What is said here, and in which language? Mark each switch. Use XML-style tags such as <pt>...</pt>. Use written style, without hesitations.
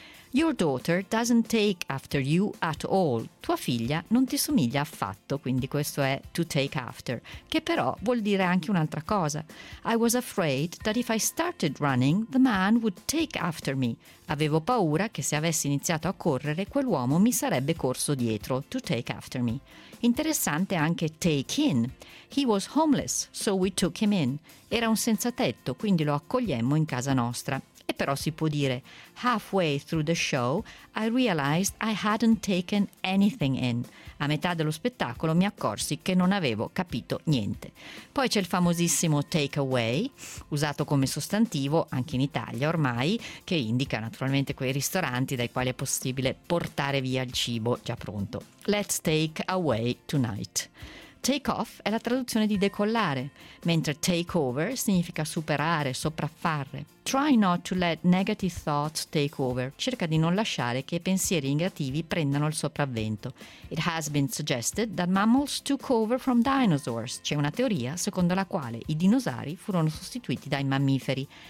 <en>Your daughter doesn't take after you at all.</en> <it>Tua figlia non ti somiglia affatto, quindi questo è to take after, che però vuol dire anche un'altra cosa.</it> <en>I was afraid that if I started running, the man would take after me.</en> <it>Avevo paura che se avessi iniziato a correre, quell'uomo mi sarebbe corso dietro, to take after me. Interessante anche</it> <en>take in. He was homeless, so we took him in.</en> <it>Era un senza tetto, quindi lo accogliemmo in casa nostra. E però si può dire,</it> <en>halfway through the show, I realized I hadn't taken anything in.</en> <it>A metà dello spettacolo mi accorsi che non avevo capito niente. Poi c'è il famosissimo take away, usato come sostantivo anche in Italia ormai, che indica naturalmente quei ristoranti dai quali è possibile portare via il cibo già pronto.</it> <en>Let's take away tonight.</en> <it>Take off è la traduzione di decollare, mentre take over significa superare, sopraffare.</it> <en>Try not to let negative thoughts take over.</en> <it>Cerca di non lasciare che i pensieri negativi prendano il sopravvento.</it> <en>It has been suggested that mammals took over from dinosaurs.</en> <it>C'è una teoria secondo la quale i dinosauri furono sostituiti dai mammiferi.</it>